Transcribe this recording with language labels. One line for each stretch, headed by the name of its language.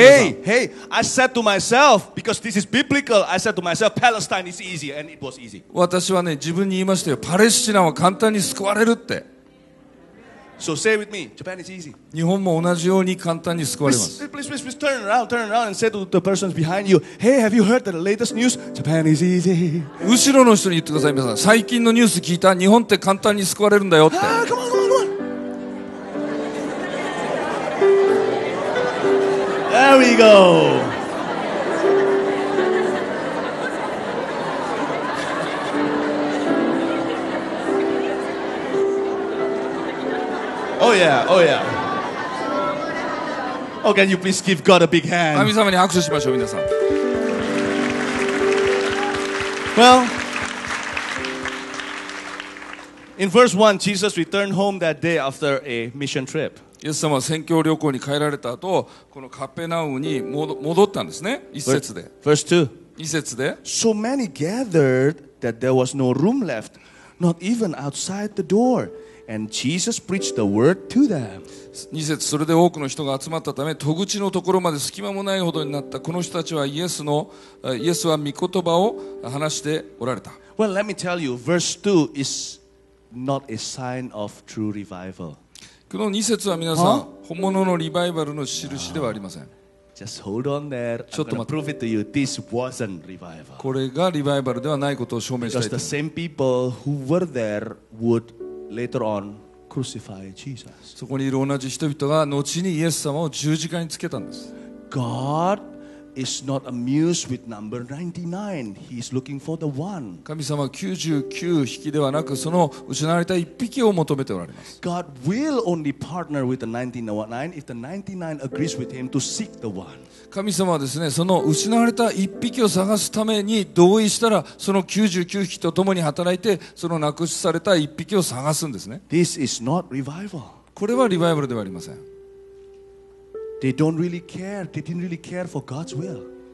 English: Hey, I said to myself, because this is biblical, I said to myself, Palestine is easy, and it was easy.
Japanese: 私はね、自分に言いましたよ。パレスチナは簡単に救われるって。
English: So say it with me. Japan is easy.
Japanese: 日本も同じように簡単に救われます。
English: Please, turn around and say to the person behind you, Hey, have you heard the latest news? Japan is easy.
Japanese: 後ろの人に言ってください、皆さん。最近のニュース聞いた？日本って簡単に救われるんだよって。
English: Ah, come on, come on. There we go. Oh yeah. Oh, can you please give God a big hand?
Japanese: 神様に拍手しましょう、皆さん。
English: Well, in verse 1, Jesus returned home that day after a mission trip.
Japanese: イエス様は宣教旅行に帰られた後、このカペナウに戻ったんですね。一節で。
English: Verse 2.
Japanese: 一節で。
English: So many gathered that there was no room left, not even outside the door, and Jesus preached the word to them.
Japanese: 二節、それで多くの人が集まったため、戸口のところまで隙間もないほどになった。この人たちはイエスは御言葉を話しておられた。
English: Well, let me tell you, verse 2 is not a sign of true revival.
Japanese: この2節は皆さん、huh? 本物のリバイバルの印ではありません。
English: Just hold on there.
Japanese: ちょっと待って。
English: Prove it to you. This wasn't revival.
Japanese: これがリバイバルではないことを証明したい。
English: Because the same people who were there would later on crucify Jesus.
Japanese: そこにいる同じ人々が後にイエス様を十字架につけたんです。
English: God is not amused with number 99. He is looking for the one.
Japanese: 神様は99匹ではなく、その失われた1匹を求めておられます。
English: God will only partner with the 99 if the 99 agrees with him to seek the one.
Japanese: 神様はですね、その失われた1匹を探すために同意したら、その99匹と共に働いて、そのなくしされた1匹を探すんですね。
English: This is not revival.
Japanese: これはリバイバルではありません。
English: They don't really care. They didn't really care for God's will.